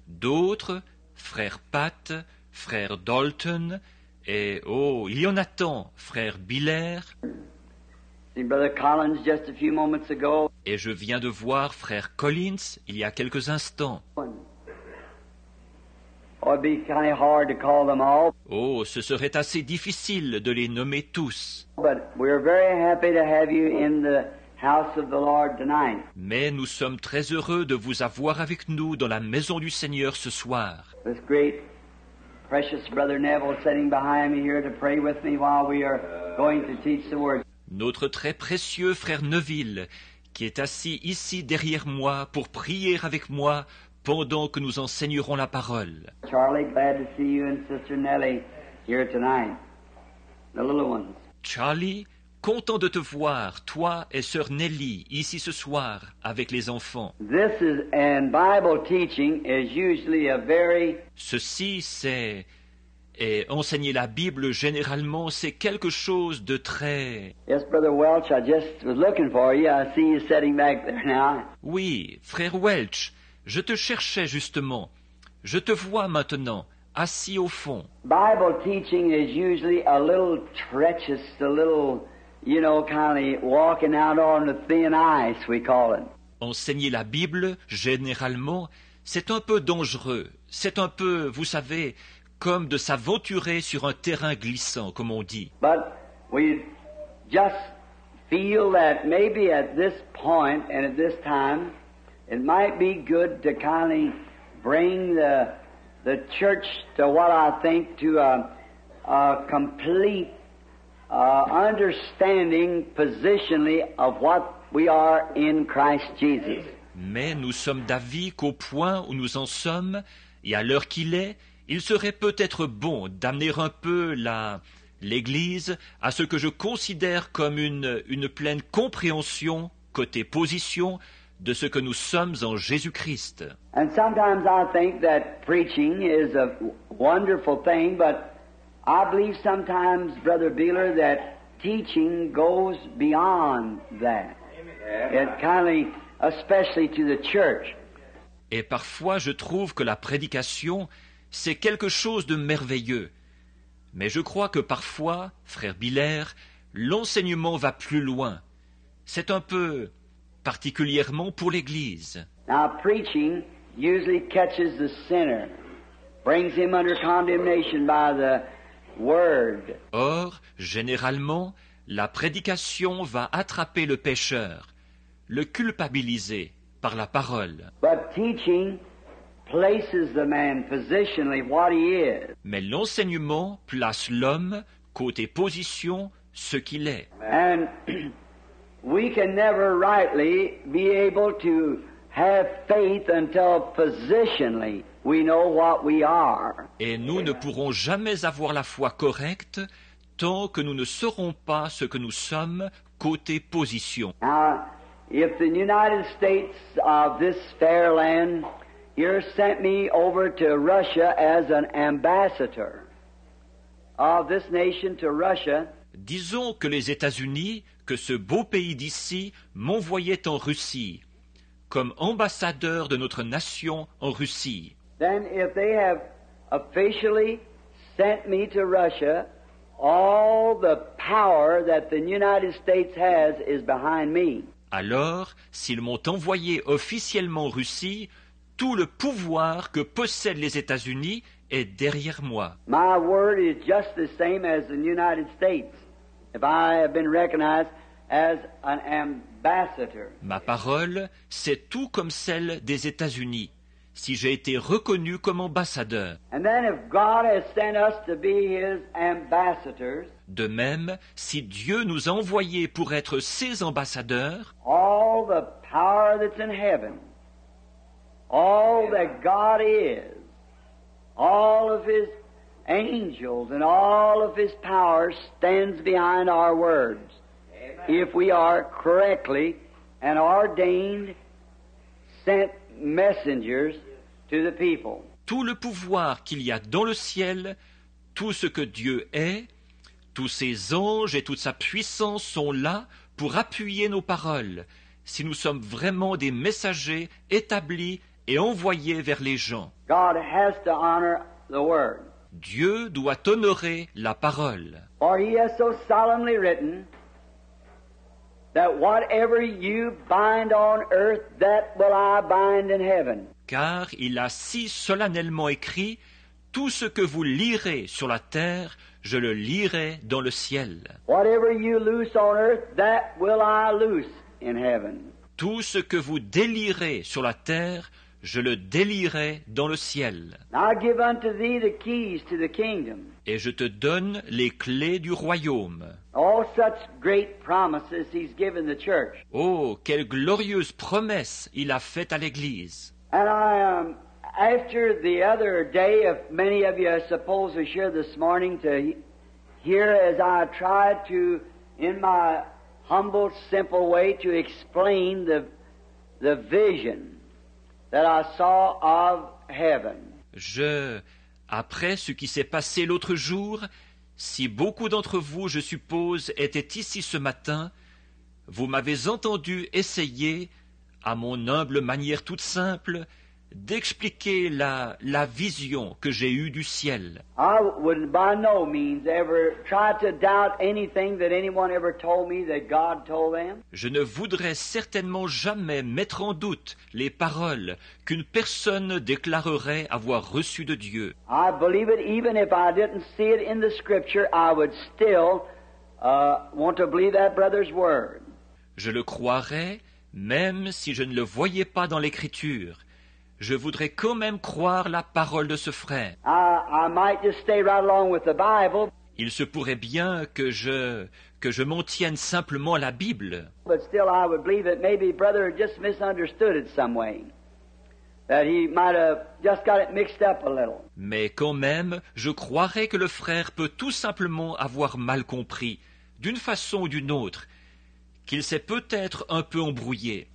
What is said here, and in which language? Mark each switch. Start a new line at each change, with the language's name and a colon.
French: D'autres, Frère Pat, Frère Dalton, et, oh, il y en a tant, frère Biller.
English: Brother Collins just a few moments ago.
French: Et je viens de voir frère Collins il y a quelques instants.
English: Oh, it'd be kind of hard to call them all.
French: Oh, ce serait assez difficile de les nommer tous.
English: But we're very happy to have you in the house of the Lord tonight.
French: Mais nous sommes très heureux de vous avoir avec nous dans la maison du Seigneur ce soir.
English: This great, precious brother Neville sitting behind me here to pray with me while we are going to teach the word.
French: Notre très précieux frère Neville, qui est assis ici derrière moi pour prier avec moi pendant que nous enseignerons la parole.
English: Charlie, glad to see you and Sister Nellie here tonight. The little ones.
French: Charlie, content de te voir, toi et sœur Nellie, ici ce soir avec les enfants.
English: This is, and Bible teaching is usually a very...
French: Ceci, c'est... Et enseigner la Bible, généralement, c'est quelque chose de très...
English: Yes, Brother Welch, I just was looking for you. I see you sitting back there now.
French: Oui, frère Welch, je te cherchais justement. Je te vois maintenant, assis au fond.
English: Bible teaching is usually a little treacherous, a little, you know, kind of walking out on the thin ice, we call it.
French: Enseigner la Bible, généralement, c'est un peu dangereux. C'est un peu, vous savez... comme de s'aventurer sur un terrain glissant, comme on dit.
English: But we just feel that maybe at this point and at this time, it might be good to kind of bring the church to what I think to a complete understanding positionally of what we are in Christ Jesus.
French: Mais nous sommes d'avis qu'au point où nous en sommes, et à l'heure qu'il est, il serait peut-être bon d'amener un peu l'Église à ce que je considère comme une pleine compréhension, côté position, de ce que nous sommes en Jésus-Christ.
English: And sometimes I think that preaching is a wonderful thing, but I believe sometimes, Brother Beeler, that teaching goes beyond that. It kindly, especially to the church.
French: Et parfois je trouve que la prédication... c'est quelque chose de merveilleux. Mais je crois que parfois, frère Biller, l'enseignement va plus loin. C'est un peu particulièrement pour l'Église.
English: Now, preaching usually catches the sinner, brings him under condemnation by the word.
French: Or, généralement, la prédication va attraper le pécheur, le culpabiliser par la parole.
English: But teaching... places the man positionally what he is.
French: Mais l'enseignement place l'homme côté position ce qu'il est.
English: And we can never rightly be able to have faith until positionally we know what we are.
French: Et nous ne pourrons jamais avoir la foi correcte tant que nous ne saurons pas ce que nous sommes côté position.
English: If the United States of this fair land you sent me over to Russia as an ambassador of this nation to Russia.
French: Disons que les États-Unis, que ce beau pays d'ici, m'envoyaient en Russie comme ambassadeur de notre nation en Russie.
English: Then if they have officially sent me to Russia, all the power that the United States has is behind me.
French: Alors, s'ils m'ont envoyé officiellement en Russie, tout le pouvoir que possèdent les États-Unis est derrière moi.
English: My word is just the same as the United States. If I have been recognized as an ambassador.
French: Ma parole, c'est tout comme celle des États-Unis. Si j'ai été reconnu comme ambassadeur.
English: And then if God has sent us to be his ambassadors.
French: De même, si Dieu nous a envoyés pour être ses ambassadeurs.
English: All the power that's in heaven. All that God is, all of his angels and all of his power stands behind our words. Amen. If we are correctly and ordained sent messengers to the people.
French: Tout le pouvoir qu'il y a dans le ciel, tout ce que Dieu est, tous ses anges et toute sa puissance sont là pour appuyer nos paroles. Si nous sommes vraiment des messagers établis et envoyé vers les gens.
English: God has to honor the word.
French: Dieu doit honorer la parole.
English: For he has so solemnly written that whatever you bind on earth, that will I bind in heaven.
French: Car il a si solennellement écrit, tout ce que vous lirez sur la terre, je le lirai dans le ciel.
English: Whatever you loose on earth, that will I loose in heaven.
French: Tout ce que vous délirez sur la terre, je le délirai dans le ciel.
English: I give unto thee the keys to the kingdom.
French: Et je te donne les clés du royaume.
English: All such great promises he's given the church.
French: Oh, quelle glorieuse promesse il a faite à l'église.
English: And I am after the other day, if many of you I suppose are here this morning to hear as I try to, in my humble, simple way, to explain the vision that I saw of heaven.
French: Je, après ce qui s'est passé l'autre jour, si beaucoup d'entre vous, je suppose, étaient ici ce matin, vous m'avez entendu essayer, à mon humble manière toute simple, d'expliquer la vision que j'ai eue du ciel.
English: I would by no means ever try to doubt anything that anyone ever told me that God told them.
French: Je ne voudrais certainement jamais mettre en doute les paroles qu'une personne déclarerait avoir reçues de Dieu.
English: I believe it even if I didn't see it in the scripture, I would still want to believe that brother's word.
French: Je le croirais même si je ne le voyais pas dans l'écriture. Je voudrais quand même croire la parole de ce frère.
English: I might just stay right along with the Bible.
French: Il se pourrait bien que je m'en tienne simplement à la Bible.
English: But still I would believe that maybe brother just misunderstood it some way. That he might have just got it mixed up a little.
French: Mais quand même, je croirais que le frère peut tout simplement avoir mal compris, d'une façon ou d'une autre, qu'il s'est peut-être un peu embrouillé.